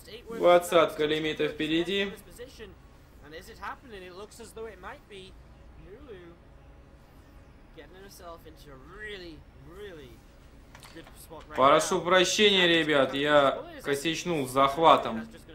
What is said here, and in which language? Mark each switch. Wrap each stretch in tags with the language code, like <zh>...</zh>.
<ru>Двадцатка лимита впереди.</ru> <en>And is it happening? It looks as though it might be. Mulu getting himself into a really, really</en> <ru>Прошу прощения, ребят, я косячнул с захватом.</ru>